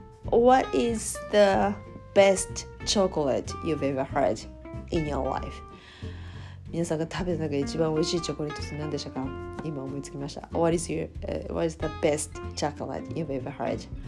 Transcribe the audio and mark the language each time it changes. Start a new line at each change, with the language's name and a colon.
English: What is the best chocolate you've ever had in your life?
Japanese: 皆さんが食べた中で一番美味しいチョコレートって何でしたか？今思いつきました。
English: What is the best chocolate you've ever had?